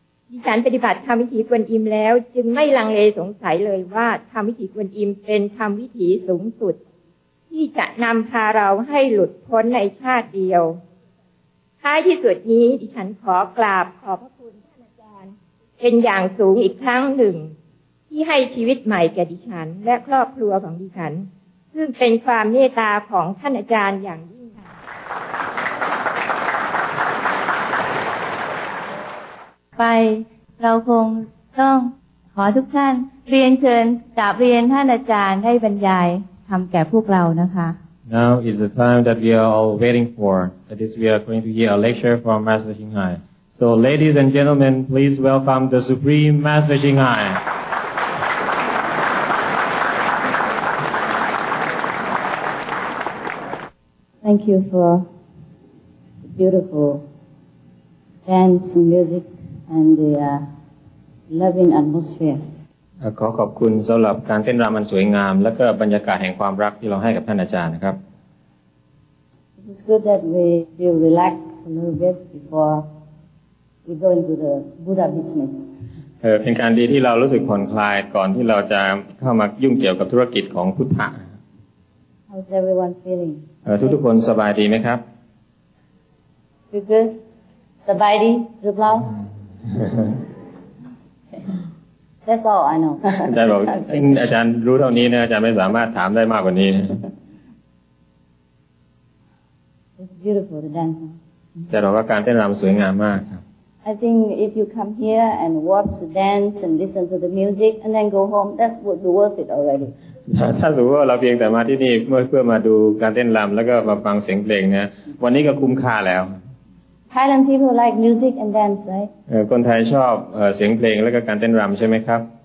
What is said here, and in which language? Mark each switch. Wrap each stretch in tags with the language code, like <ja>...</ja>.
<th>ดิฉันปฏิบัติธรรมวิถีกวนอิมแล้วจึงไม่ลังเลสงสัยเลยว่าธรรมวิถีกวนอิมเป็นธรรมวิถีสูงสุดที่จะนำพาเราให้หลุดพ้นในชาติเดียวท้ายที่สุดนี้ดิฉันขอกราบขอบพระคุณท่านอาจารย์เป็นอย่างสูงอีกครั้งหนึ่งที่ให้ชีวิตใหม่แก่ดิฉันและครอบครัวของดิฉันซึ่งเป็นความเมตตาของท่านอาจารย์อย่างยิ่งค่ะ ไปเราคงต้องขอทุกท่านเรียนเชิญกราบเรียนท่านอาจารย์ให้บรรยายธรรมแก่พวกเรานะคะ</th> <en>Now is the time that we are all waiting for. That is, we are going to hear a lecture from Master Qinghai. So, ladies and gentlemen, please welcome the Supreme Master Qinghai. Thank you for the beautiful dance music and the loving atmosphere.</en> <th>ขอขอบคุณสำหรับการเต้นรำอันสวยงามและก็บรรยากาศแห่งความรักที่เราให้กับท่านอาจารย์นะครับ</th> <en>This is good that we feel relaxed a little bit before we go into the Buddha business.</en> <th>เป็นการดีที่เรารู้สึกผ่อนคลายก่อนที่เราจะเข้ามายุ่งเกี่ยวกับธุรกิจของพุทธะ</th> <en>How's everyone feeling?</en> <th>ทุกคนสบายดีไหมครับ คือก็สบายดีหรือเปล่า</th> <en>That's all I know</en> <th>อาจารย์บอกอาจารย์รู้เท่านี้นะอาจารย์ไม่สามารถถามได้มากกว่านี้</th> <en>It's beautiful the dancing</en> <th>แต่เราก็การเต้นรำสวยงามมากครับ</th> <en>I think if you come here and watch the dance and listen to the music and then go home that would be worth it already</en> <th>ถ้าสมมติว่าเราเพียงแต่มาที่นี่เพื่อมาดูการเต้นรำแล้วก็มาฟังเสียงเพลงนะวันนี้ก็คุ้มค่าแล้ว</th> <en>Thailand people like music and dance right</en> <th>คนไทยชอบเสียงเพลงแล้วก็การเต้นรำใช่ไหมครับ</th>